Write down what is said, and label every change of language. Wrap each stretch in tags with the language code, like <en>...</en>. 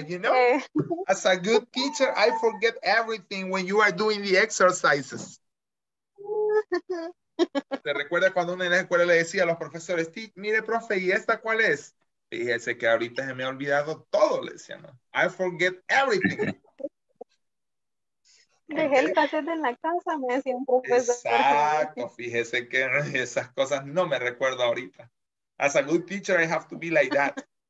<en>You know, as a good teacher, I forget everything when you are doing the exercises.</en> <es>¿Te recuerdas cuando uno en la escuela le decía a los profesores, mire, profe, ¿y esta cuál es? Fíjese que ahorita se me ha olvidado todo, le decía, ¿no?</es> <en>I forget everything.</en> <es>Dejé el cassette en la casa, me decía un profesor. Exacto, fíjese que esas cosas no me recuerdo ahorita.</es> <en>As a good teacher, I have to be like that.</en>